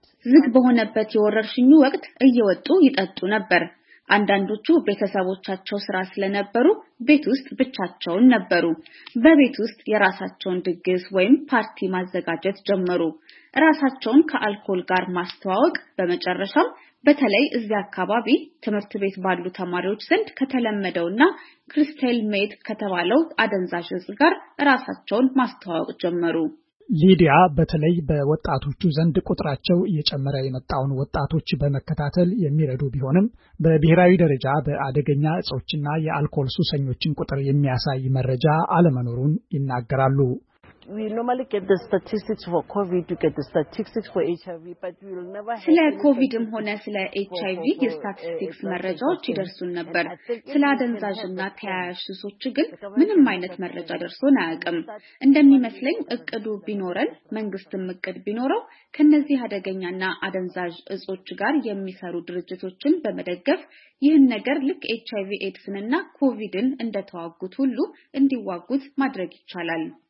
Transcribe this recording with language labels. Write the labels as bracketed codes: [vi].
[am] ዝግ በሆነበት የወረርሽኙ ወቅት እየወጡ ይጠጡ ነበር። አንዳንዶቹ ቤተሰቦቻቸው ስራ ስለነበሩ ቤት ውስጥ ብቻቸውን ነበሩ። በቤት ውስጥ የራሳቸውን ድግስ ወይም ፓርቲ ማዘጋጀት ጀመሩ። ራሳቸውን ከአልኮል ጋር ማስተዋወቅ በመጨረሻም በተለይ እዚያ አካባቢ ትምህርት ቤት ባሉ ተማሪዎች ዘንድ ከተለመደውና ክሪስታል ሜት ከተባለው አደንዛዥ እጽ ጋር ራሳቸውን ማስተዋወቅ ጀመሩ። ሊዲያ በተለይ በወጣቶቹ ዘንድ ቁጥራቸው እየጨመረ የመጣውን ወጣቶች በመከታተል የሚረዱ ቢሆንም በብሔራዊ ደረጃ በአደገኛ እጾችና የአልኮል ሱሰኞችን ቁጥር የሚያሳይ መረጃ አለመኖሩን ይናገራሉ። [en] We normally get the statistics for COVID, you get the statistics for HIV, but we'll never have [am] ስለ ኮቪድም ሆነ ስለ HIV የስታቲስቲክስ መረጃዎች ይደርሱን ነበር። ስለ አደንዛዥና ተያያዥ ሱሶች ግን ምንም አይነት መረጃ ደርሶን አያውቅም። እንደሚመስለኝ እቅዱ ቢኖረን መንግስትም እቅድ ቢኖረው ከነዚህ አደገኛና አደንዛዥ እጾች ጋር የሚሰሩ ድርጅቶችን በመደገፍ ይህን ነገር ልክ HIV AIDSንና ኮቪድን እንደተዋጉት ሁሉ እንዲዋጉት ማድረግ ይቻላል።